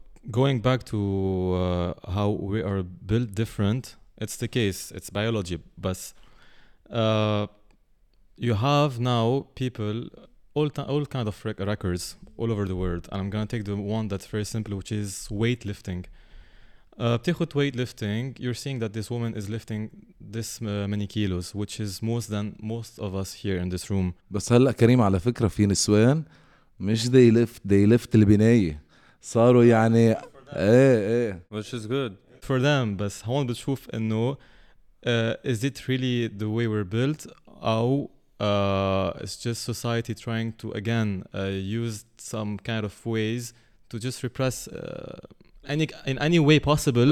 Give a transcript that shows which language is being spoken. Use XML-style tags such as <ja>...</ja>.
<en>Going back to how we are built different, it's the case, it's biology, but you have now people, all kind of records all over the world, and I'm going to take the one that's very simple, which is weightlifting.</en> <ar>بتاخد</ar> <en>weightlifting, you're seeing that this woman is lifting this many kilos, which is more than most of us here in this room.</en> <ar>بس هلا كريم على فكرة في نسوان مش</ar> <en>they lift</en> <ar>البناية. صاروا يعني</ar> <en>which is good for them,</en> <ar>بس هون بتشوف انه</ar> <en>is it really the way we're built</en> <ar>او</ar> <en>it's just society trying to again use some kind of ways to just repress in any way possible.</en>